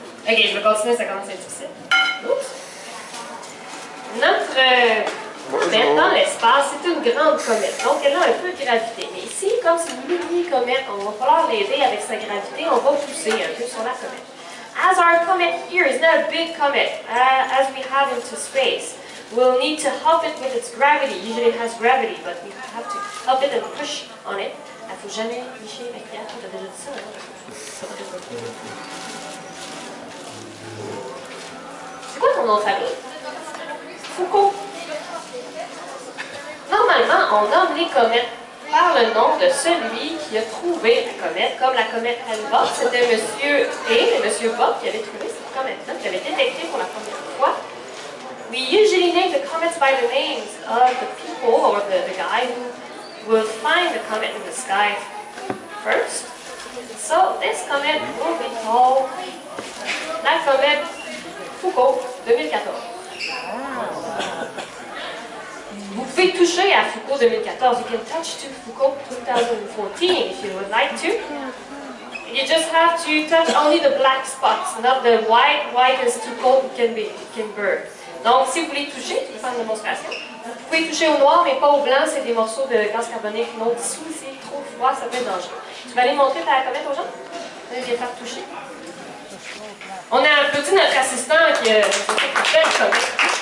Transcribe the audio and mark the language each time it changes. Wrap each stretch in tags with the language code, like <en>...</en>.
<fr>Ok, je vais continuer, ça commence à être difficile. Notre. Maintenant, l'espace, c'est une grande comète. Donc, elle a un peu de gravité. Mais ici, comme c'est une mini-comète, on va falloir l'aider avec sa gravité. On va pousser un peu sur la comète.</fr> <en>As our comet here is not a big comet, as we have into space, we'll need to help it with its gravity. Usually it has gravity, but we have to help it and push on it.</en> <fr>Il ne faut jamais licher avec la tête de l'autre sol. C'est quoi ton nom, Fabien? Foucault. Normalement, on nomme les comètes par le nom de celui qui a trouvé la comète, comme la comète Halley-Bopp. C'était M. Hale et M. Bopp qui avaient trouvé cette comète-là, qui avait été détectée pour la première fois.</fr> <en>We usually name the comets by the names of the people or the guy who will find the comet in the sky first. So, this comet will be called</en> <fr>la comète Foucault 2014. Vous pouvez toucher à Foucault 2014.</fr> <en>You can touch to Foucault 2014 if you would like to. You just have to touch only the black spots, not the white. White is too cold, it can burn.</en> <fr>Donc, si vous voulez toucher, je vais faire une démonstration. Vous pouvez toucher au noir, mais pas au blanc. C'est des morceaux de gaz carbonique non dissous. C'est trop froid, ça peut être dangereux. Tu vas aller montrer ta comète aux gens? Je vais faire toucher. On a applaudi notre assistant qui a fait une belle comète.</fr>